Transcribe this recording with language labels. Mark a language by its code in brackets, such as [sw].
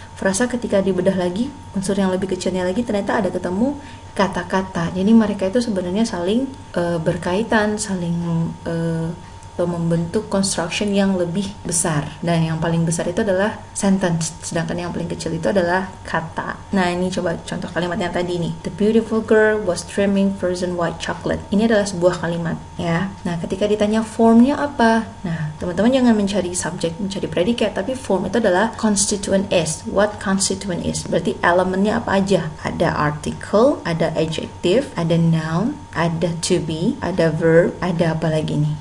[id] frasa ketika dibedah lagi, unsur yang lebih kecilnya lagi, ternyata ada ketemu kata-kata. Jadi mereka itu sebenarnya saling berkaitan, saling membentuk construction yang lebih besar. Dan yang paling besar itu adalah sentence, sedangkan yang paling kecil itu adalah kata. Nah, ini coba contoh kalimatnya tadi nih. [en] The beautiful girl was dreaming frozen white chocolate. [id] Ini adalah sebuah kalimat, ya. Nah, ketika ditanya formnya apa? Nah, teman-teman jangan mencari subjek, mencari predikat, tapi form itu adalah [en] constituent is. What constituent is? [id] Berarti elemennya apa aja? Ada article, ada adjective, ada noun, ada to be, ada verb, ada apa lagi nih?